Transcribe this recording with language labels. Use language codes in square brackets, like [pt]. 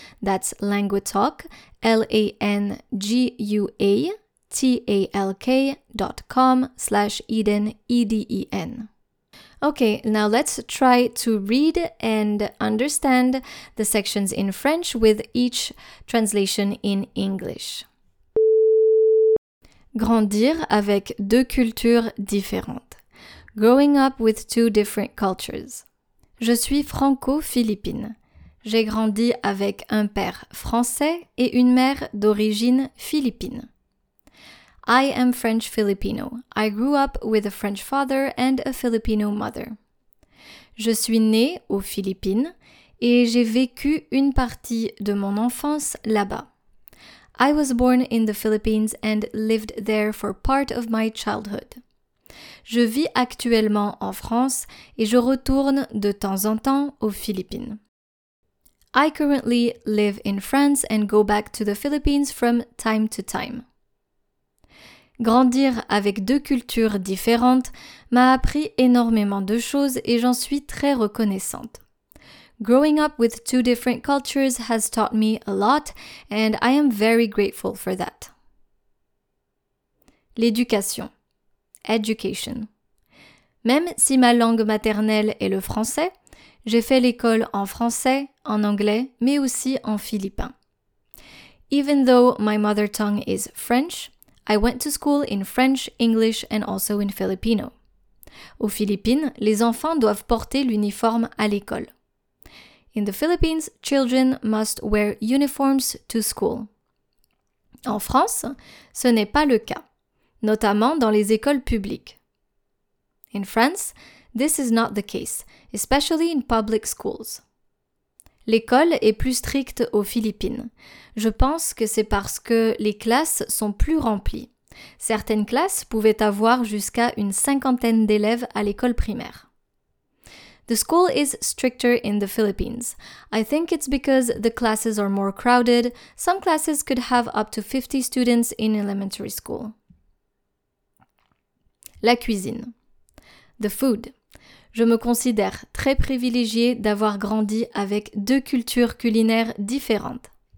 [en] That's languagetalk, languagetalk.com/Eden, E-D-E-N. Okay, now let's try to read and understand the sections in French with each translation in English. [fr] Grandir avec deux cultures différentes. [en] Growing up with two different cultures. [fr] Je suis franco-philippine. J'ai grandi avec un père français et une mère d'origine philippine. [en] I am French Filipino. I grew up with a French father and a Filipino mother. [fr] Je suis née aux Philippines et j'ai vécu une partie de mon enfance là-bas. [en] I was born in the Philippines and lived there for part of my childhood. [fr] Je vis actuellement en France et je retourne de temps en temps aux Philippines. [en] I currently live in France and go back to the Philippines from time to time. [fr] Grandir avec deux cultures différentes m'a appris énormément de choses et j'en suis très reconnaissante. [en] Growing up with two different cultures has taught me a lot and I am very grateful for that. [fr] L'éducation. Education. Même si ma langue maternelle est le français, j'ai fait l'école en français, en anglais, mais aussi en philippin. [en] Even though my mother tongue is French, I went to school in French, English and also in Filipino. [fr] Aux Philippines, les enfants doivent porter l'uniforme à l'école. [en] In the Philippines, children must wear uniforms to school. [fr] En France, ce n'est pas le cas, notamment dans les écoles publiques. [en] In France, this is not the case, especially in public schools. [fr] L'école est plus stricte aux Philippines. Je pense que c'est parce que les classes sont plus remplies. Certaines classes pouvaient avoir jusqu'à une cinquantaine d'élèves à l'école primaire. [en] The school is stricter in the Philippines. I think it's because the classes are more crowded. Some classes could have up to 50 students in elementary school. [fr] La cuisine. [en] The food. [fr] Je me considère très privilégiée d'avoir grandi avec deux cultures culinaires différentes.